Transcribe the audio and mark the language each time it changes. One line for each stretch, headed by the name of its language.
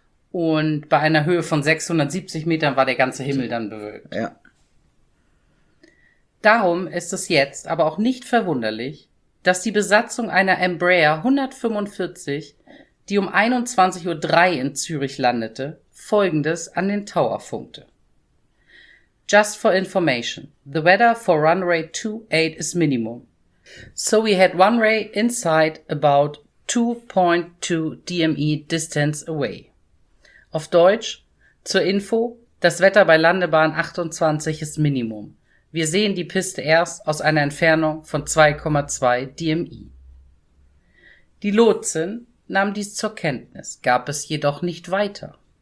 German: Und bei einer Höhe von 670 Metern war der ganze Himmel dann bewölkt. Ja. Darum ist es jetzt aber auch nicht verwunderlich, dass die Besatzung einer Embraer 145, die um 21.03 Uhr in Zürich landete, Folgendes an den Tower funkte.
English: Just for information, the weather for runway 28 is minimum. So we had one ray inside about 2.2 DME distance away.
German: Auf Deutsch, zur Info, das Wetter bei Landebahn 28 ist Minimum. Wir sehen die Piste erst aus einer Entfernung von 2,2 DME. Die Lotsin nahm dies zur Kenntnis, gab es jedoch nicht weiter.